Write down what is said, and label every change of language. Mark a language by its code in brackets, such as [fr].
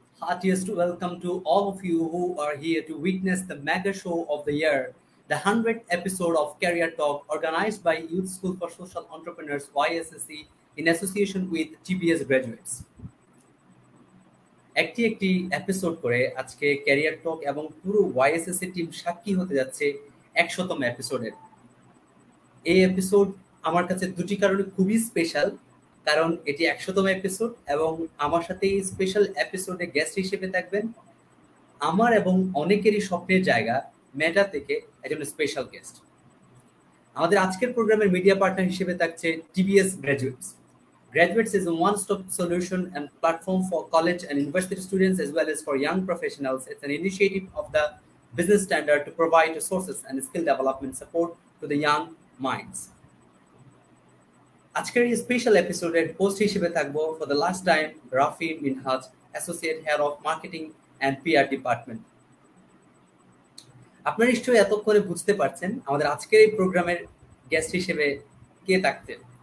[en] Heartiest welcome to all of you who are here to witness the mega show of the year, the 100th episode of Career Talk organized by Youth School for Social Entrepreneurs YSSE in association with TBS Graduates. [bn] একটি একটি episode করে আজকে career টক এবং পুরো YSSE team সাক্ষী হতে যাচ্ছে 100তম এপিসোডের। এই এপিসোড আমার কাছে দুটি কারণে খুবই স্পেশাল, কারণ এটি 100তম এপিসোড এবং আমার সাথে এই স্পেশাল এপিসোডে গেস্ট হিসেবে থাকবেন আমার এবং অনেকেরই স্বপ্নের জায়গা মেটা থেকে একজন স্পেশাল গেস্ট। আমাদের আজকের প্রোগ্রামের মিডিয়া পার্টনার হিসেবে থাকছে TBS Graduates. [en] Graduates is a one-stop solution and platform for college and university students as well as for young professionals. It's an initiative of the Business Standard to provide resources and skill development support to the young minds. [bn] আজকের এই special এপিসোডের host হিসেবে থাকবো [en] for the last time [bn] Rafi Minhaj, associate head of marketing and PR department. আপনারা নিশ্চয়ই এতক্ষণে বুঝতে পারছেন আমাদের আজকের এই প্রোগ্রামের গেস্ট হিসেবে কে থাকতেন।